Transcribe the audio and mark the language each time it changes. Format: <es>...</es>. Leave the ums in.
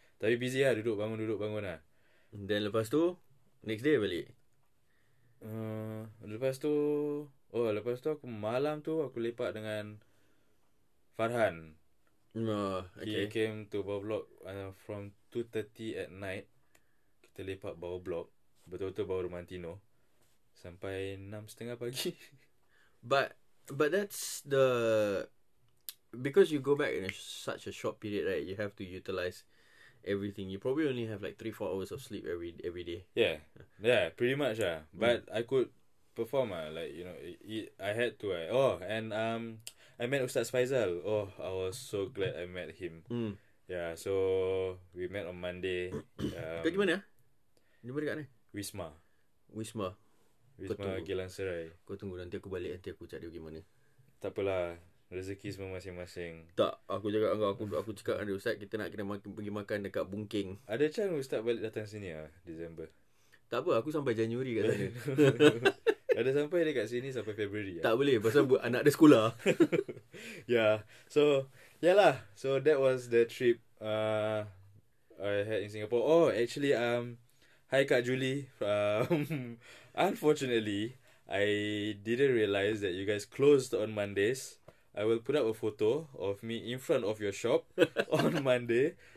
<ms>Tapi busy lah, duduk bangun, duduk bangun lah. Then lepas tu,</ms> <en>next day</en> <ms>balik? Uh, lepas tu, oh lepas tu aku malam tu aku lepak dengan Farhan. Uh, okay.</ms> <en>He came to</en> <ms>bawah blok</ms> <en>uh, from 2.30 at night.</en> <ms>Kita lepak bawah blok. Betul-betul bawah rumah Tino. Sampai enam setengah pagi.</ms> <en>but but that's the... Because you go back in a, such a short period, right? You have to utilize everything. You probably only have like 3-4 hours of sleep every every day. Yeah. Yeah, pretty much. Uh. But mm. I could perform. Uh, like, you know, it, it I had to. Uh. oh, and... um. I met Ustaz Faizal. Oh, I was so glad I met him. Mm. Yeah, so we met on Monday. um,</en> <ms>Di mana? Nombor dekat ni?</ms> <en>Wisma. Wisma.</en> <ms>Wisma Gilang Serai. Kau tunggu nanti aku balik nanti aku cakap dia gimana. Tak apalah. Rezeki semua masing-masing. Tak, aku jaga dengan aku aku cakap dengan ustaz kita nak kena makan, pergi makan dekat Bungking. Ada chance ustaz balik datang sini ah Disember. Tak apa, aku sampai Januari kat sana. ada sampai dekat sini sampai Februari Tak ya. boleh pasal buat anak dia sekolah. ya. Yeah. So, yalah.</ms> <en>Yeah so that was the trip uh, I had in Singapore. Oh, actually um hi Kak Julie. Um unfortunately, I didn't realise that you guys closed on Mondays. I will put up a photo of me in front of your shop on Monday.</en>